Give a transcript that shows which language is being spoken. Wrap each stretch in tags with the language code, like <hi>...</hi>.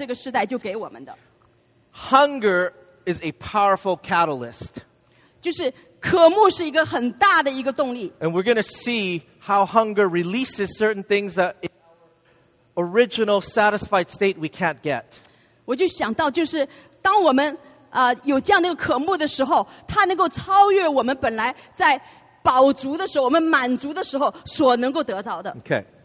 <zh>所以主好像自己站在这个上面，他自己要愿意把他身体拨开来给我们，他是很愿意在这个时代就给我们的。</zh> <en>Hunger is a powerful catalyst.</en> <zh>就是渴慕是一个很大的一个动力。</zh> <en>And we're going to see how hunger releases certain things that in our original satisfied state we can't get.</en> <zh>我就想到就是当我们 有这样的渴慕的时候，他能够超越我们本来在饱足的时候，我们满足的时候所能够得着的。</zh> <en>Okay.</en>